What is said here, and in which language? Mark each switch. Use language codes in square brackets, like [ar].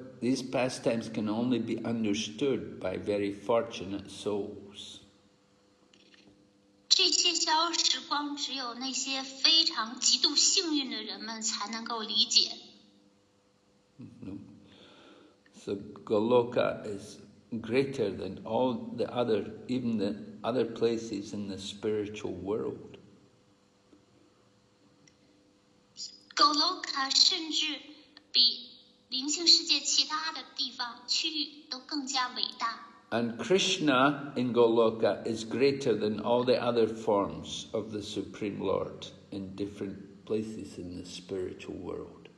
[en] these pastimes can only be understood by very fortunate souls. [zh] 这些逍遥时光只有那些非常极度幸运的人们才能够理解。 [en] So Goloka is greater than all the other, even the other places in the spiritual world. And Krishna in Goloka is greater than all the other forms of the Supreme Lord in different places in the spiritual world.